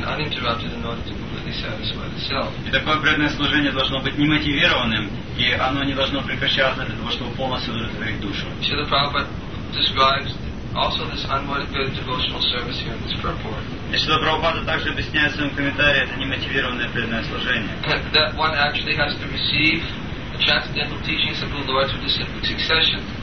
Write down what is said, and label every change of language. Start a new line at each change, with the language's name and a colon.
Russian: И такое преданное служение должно быть немотивированным, и оно не должно прекращаться для того, чтобы полностью удовлетворить душу.
English: Srila Prabhupada describes also this unmotivated devotional service here in this purport.
Russian: Если Прабхупада также объясняет в своем комментарии, это немотивированное преданное служение.
English: That one actually has to receive the transcendental teachings of the Lord through disciplic succession.